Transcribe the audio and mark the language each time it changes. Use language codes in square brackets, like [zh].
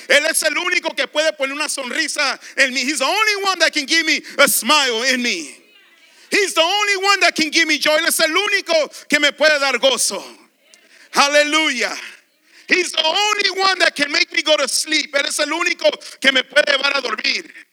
[es] Él es el único que puede poner una sonrisa en mí. [en] He's the only one that can give me a smile in me. He's the only one that can give me joy. [es] Él es el único que me puede dar gozo. [en] Hallelujah. He's the only one that can make me go to sleep. [es] Él es el único que me puede llevar a dormir.